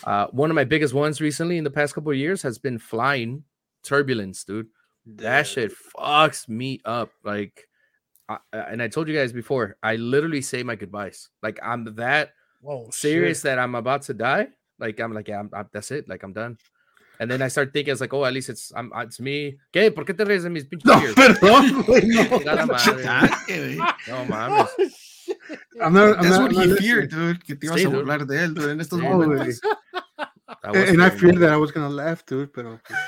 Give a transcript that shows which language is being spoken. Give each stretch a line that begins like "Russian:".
English: One of my biggest ones recently in the past couple of years has been flying turbulence, dude. That shit fucks me up. Like, and I told you guys before, I literally say my goodbyes. Like, I'm that serious that I'm about to die. Like, I'm like, yeah, I'm that's it. Like, I'm done. And then I start thinking, it's like, oh, at least it's me.
Spanish: ¿Qué? ¿Por qué te ríes de mis pinches tears? No, perdón. No, mames.
English: That's what he feared, dude.
Spanish: Que te ibas a burlar de él, dude, en estos momentos.
English: And I feared that I was going to laugh, dude, pero...